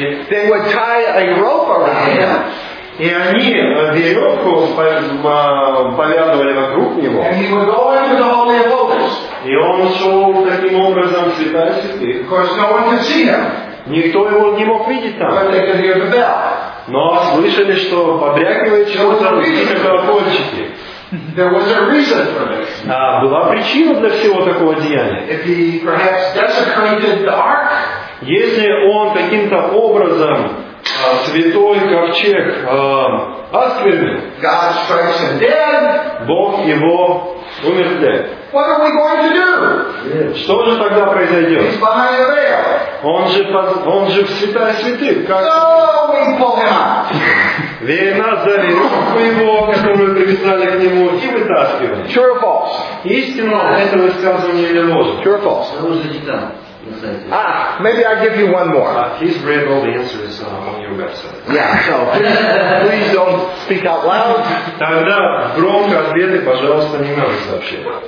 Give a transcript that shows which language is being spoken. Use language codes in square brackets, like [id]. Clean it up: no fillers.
[en] They would tie a rope around him. [ru] И они веревку повязывали вокруг него. [en] And he would go into the Holy of Holies. [ru] И он ушел таким образом в святая святых. [en] Of course, no one could see him. [ru] Никто его не мог видеть там. [en] But they could hear the bell. [ru] Но слышали, что побрякивает чего-то в колокольчике. [en] There was a reason for this. [ru] Была причина для всего такого деяния. [en] If he perhaps desecrated the ark. [ru] Если он каким-то образом святой ковчег осквернил. [en] God strikes him dead. [ru] Бог его умертвляет. [en] What are we going to do? [ru] Что же тогда произойдет? [en] He's behind the veil. [ru] Он же в святая святых. Как... [en] So we pull him out. [ru] Вина за веревку его, которую привязали к нему, и вытаскиваем. [en] True or false? [ru] Истинно это высказывание или ложь? [en] True or false? Maybe I'll give you one more. He's read all the answers on your website. Yeah, so please don't speak out loud. [ru] Тогда громко ответы, пожалуйста, не надо сообщать.